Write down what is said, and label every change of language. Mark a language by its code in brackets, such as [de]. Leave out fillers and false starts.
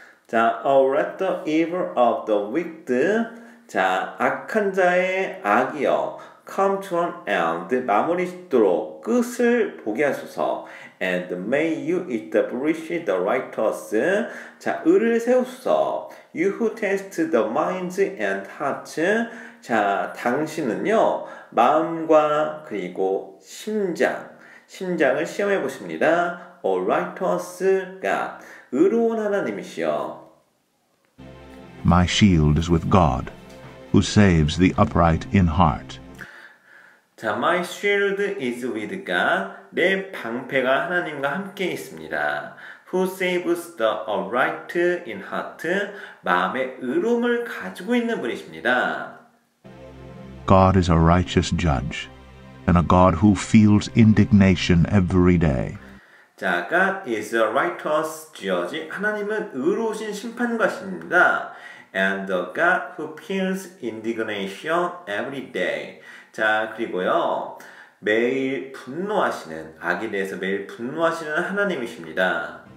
[en] 자, oh, let the evil of the wicked, 자, [ko] 악한 자의 악이여, [en] come to an end, [ko] 마무리 짓도록 끝을 보게 하소서, [en] and may you establish the righteous, 자, [ko] 의를 세우소서, [en] you who test the minds and hearts, 자, [ko] 당신은요, 마음과 그리고 심장을 시험해 보십니다. [en] O righteous God, [ko] 의로운 하나님이시여. [en] My shield is with God, who saves the upright in heart. 자, my shield is with God. [ko] 내 방패가 하나님과 함께 있습니다. [en] Who saves the upright in heart. [ko] 마음의 의로움을 가지고 있는 분이십니다. [en] God is a righteous judge, and a God who feels indignation every day. 자, God is a righteous judge. [ko] 하나님은 의로우신 심판관이십니다. [en] And God who feels indignation every day. [ko] 자, 그리고요, 매일 분노하시는, 악에 대해서 매일 분노하시는 하나님이십니다.